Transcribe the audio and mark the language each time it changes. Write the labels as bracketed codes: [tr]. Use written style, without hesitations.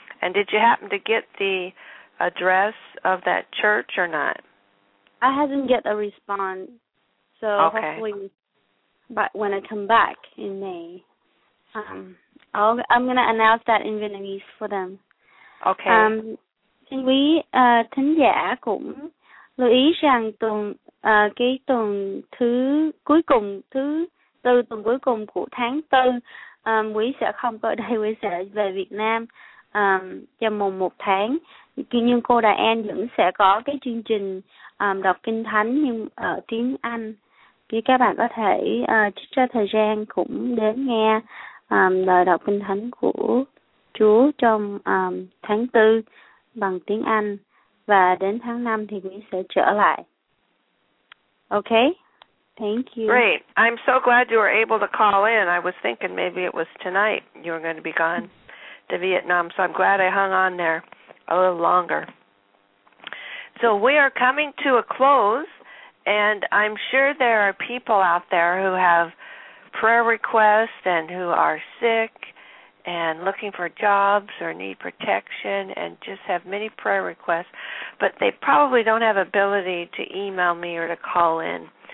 [en] And did you happen to get the address of that church or not? I haven't get a response, so okay. Hopefully, but when I come back in May, I'm gonna announce that in Vietnamese for them. Okay. [vi] Xin quý thính giả cũng lưu ý rằng tuần cuối cùng của tháng tư, quý sẽ không có đây, quý sẽ về Việt Nam cho mùng một tháng. Nhưng cô Đài An vẫn sẽ có cái chương trình đọc kinh thánh nhưng ở tiếng Anh, thì các bạn có thể trích ra thời gian cũng đến nghe lời đọc kinh thánh của Chúa trong tháng tư bằng tiếng Anh, và đến tháng năm thì mình sẽ trở lại. [en] Okay, thank you. Great, I'm so glad you were able to call in. I was thinking maybe it was tonight you were going to be gone to Vietnam, so I'm glad I hung on there a little longer. So we are coming to a close, and I'm sure there are people out there who have prayer requests and who are sick and looking for jobs or need protection and just have many prayer requests, but they probably don't have ability to email me or to call in.